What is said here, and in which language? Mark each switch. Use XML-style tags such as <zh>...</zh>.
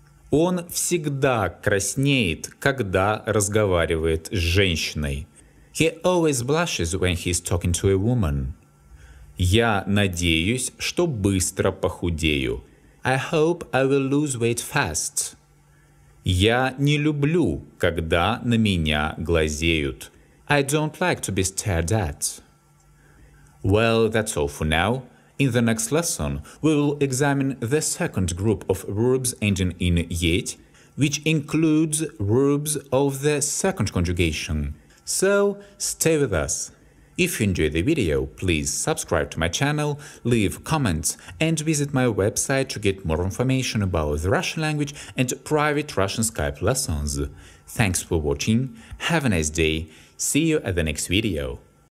<ru>Он всегда краснеет, когда разговаривает с женщиной.</ru> <en>He always blushes when he is talking to a woman.</en> <ru>Я надеюсь, что быстро похудею.</ru> <en>I hope I will lose weight fast.</en> <ru>Я не люблю, когда на меня глазеют.</ru> <en>I don't like to be stared at. Well, that's all for now. In the next lesson, we will examine the second group of verbs ending in -yeть, which includes verbs of the second conjugation. So, stay with us. If you enjoyed the video, please subscribe to my channel, leave comments, and visit my website to get more information about the Russian language and private Russian Skype lessons. Thanks for watching, have a nice day, see you at the next video!</en>